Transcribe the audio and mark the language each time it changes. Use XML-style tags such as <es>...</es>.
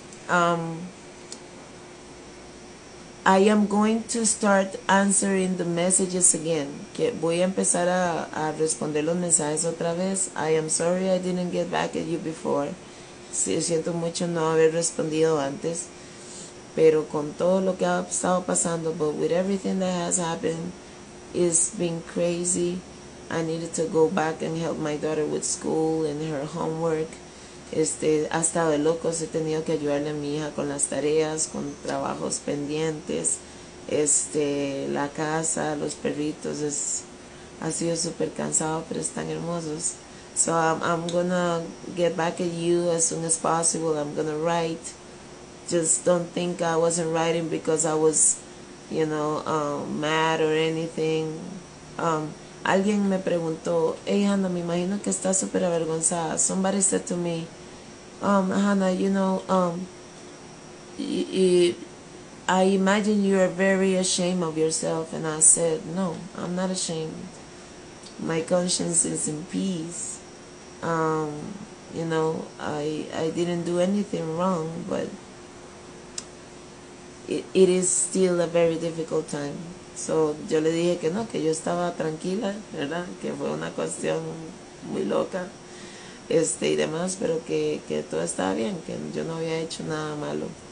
<en>I am going to start answering the messages again.</en> <es>Que voy a empezar a responder los mensajes otra vez.</es> <en>I am sorry I didn't get back at you before.</en> <es>Sí, siento mucho no haber respondido antes. Pero con todo lo que ha estado pasando,</es> <en>but with everything that has happened, it's been crazy. I needed to go back and help my daughter with school and her homework.</en> <es>Ha estado de locos, he tenido que ayudarle a mi hija con las tareas, con trabajos pendientes, la casa, los perritos, ha sido súper cansado, pero están hermosos.</es> <en>So I'm gonna get back at you as soon as possible. I'm gonna write just don't think I wasn't writing because I was, you know, mad or anything.</en> <es>Alguien me preguntó, hey, Hanna, me imagino que estás súper avergonzada.</es> <en>Somebody said to me, Hanna, you know, I imagine you are very ashamed of yourself. And I said, no, I'm not ashamed. My conscience is in peace. You know, I didn't do anything wrong, but it is still a very difficult time.</en> <es>So, yo le dije que no, que yo estaba tranquila, ¿verdad? Que fue una cuestión muy loca, y demás, pero que todo estaba bien, que yo no había hecho nada malo.</es>